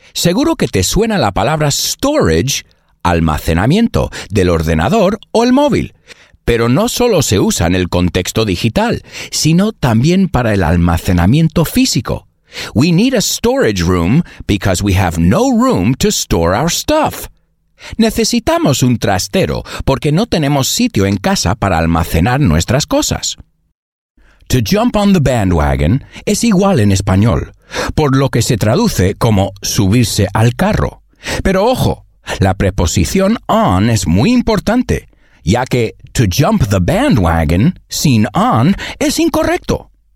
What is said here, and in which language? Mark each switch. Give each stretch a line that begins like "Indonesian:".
Spanish: Seguro que te suena la palabra storage, almacenamiento, del ordenador o el móvil. Pero no solo se usa en el contexto digital, sino también para el almacenamiento físico.
English: We need a storage room because we have no room to store our stuff.
Spanish: Necesitamos un trastero porque no tenemos sitio en casa para almacenar nuestras cosas.
English: To jump on the bandwagon
Spanish: es igual en español, por lo que se traduce como subirse al carro. Pero ojo, la preposición on es muy importante, ya que
English: to jump the bandwagon
Spanish: sin on es incorrecto.